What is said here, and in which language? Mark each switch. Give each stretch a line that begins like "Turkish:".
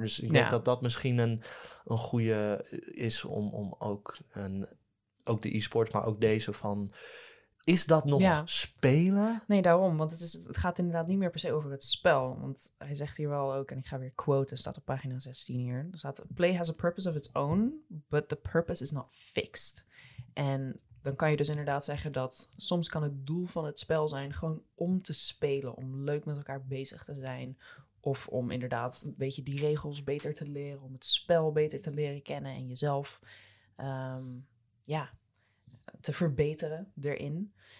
Dutch: Dus ik denk dat misschien een goede is om ook, ook de e-sport, maar ook deze van, is dat nog spelen? Nee, daarom. Want het gaat inderdaad niet meer per se over het spel. Want hij zegt hier wel ook, en ik ga weer quoten, staat op pagina 16 hier. Er staat,
English: play has a purpose of its own, but the purpose is not fixed.
Dutch: En dan kan je dus inderdaad zeggen dat soms kan het doel van het spel zijn gewoon om te spelen, om leuk met elkaar bezig te zijn. Of om inderdaad een beetje die regels beter te leren, om het spel beter te leren kennen en jezelf te verbeteren erin.